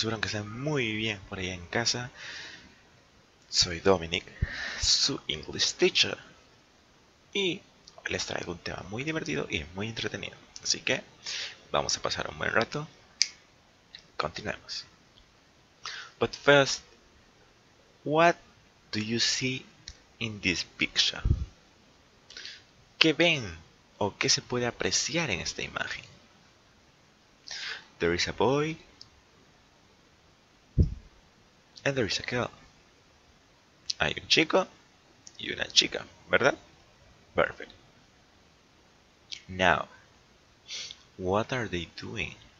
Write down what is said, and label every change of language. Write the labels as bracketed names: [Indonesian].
[Spanish] Espero que estén muy bien por ahí en casa. Soy Dominic, su [English] English teacher. [Spanish] Y hoy les traigo un tema muy divertido y muy entretenido. Así que vamos a pasar un buen rato. Continuemos. [English] But first, what do you see in this picture? [Spanish] ¿Qué ven o qué se puede apreciar en esta imagen? [English] There is a boy and there is a girl. [Spanish] Hay un chico y una chica, ¿verdad? Perfect. [English] Now, what are they doing?